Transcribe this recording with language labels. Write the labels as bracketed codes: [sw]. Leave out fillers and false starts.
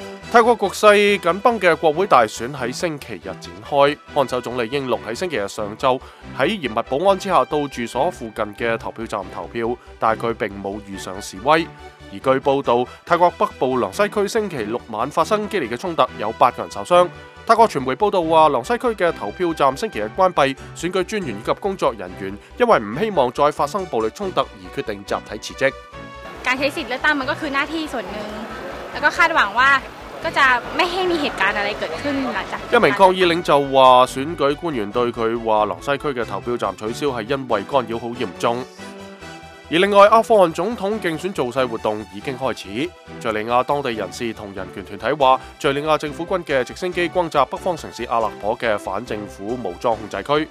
[zh] 泰国局势紧绷的国会大选在星期日展开，看守总理英龙在星期日上午在严密保安之下到住所附近的投票站投票，但他并没有遇上示威。而据报道，泰国北部良西区星期六晚发生激烈的冲突，有8个人受伤。泰国传媒报道说，良西区的投票站星期日关闭，选举专员以及工作人员因为不希望再发生暴力冲突而决定集体辞职。 [th] การใช้สิทธิ์เลือกตั้งมันก็คือหน้าที่ส่วนหนึ่งแล้วก็คาดหวังว่าก็จะไม่ให้มีเหตุการณ์อะไรเกิดขึ้นหลังจาก [zh] 一名抗议领袖说，选举官员对他说良西区的投票站取消是因为干扰很严重。而另外，阿富汗总统竞选造势活动已经开始。叙利亚当地人士和人权团体说，叙利亚政府军的直升机轰炸北方城市阿勒颇的反政府武装控制区。